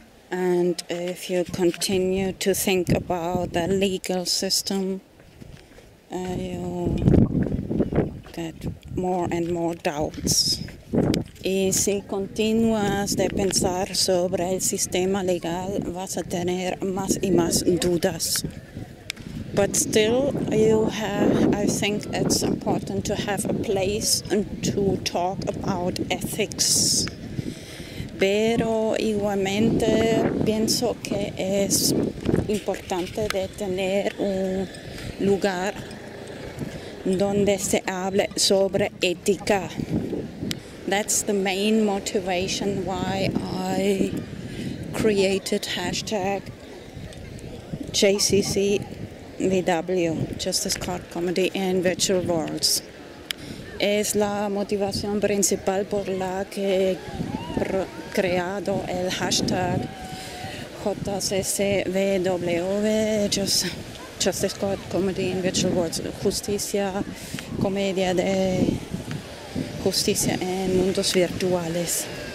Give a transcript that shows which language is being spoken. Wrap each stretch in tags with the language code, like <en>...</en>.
<en>And if you continue to think about the legal system, you get more and more doubts.</en> <es>Y si continúas de pensar sobre el sistema legal, vas a tener más y más dudas.</es> <en>But still, I think it's important to have a place and to talk about ethics.</en> <es>Pero igualmente pienso que es importante de tener un lugar donde se hable sobre ética.</es> <en>That's the main motivation why I created hashtag JCCVW, Justice Card Comedy in Virtual Worlds.</en> <es>Es la motivación principal por la que creado el hashtag JCCVW, Justice Card Comedy in Virtual Worlds, Justicia, Comedia de Justicia en Mundos Virtuales.</es>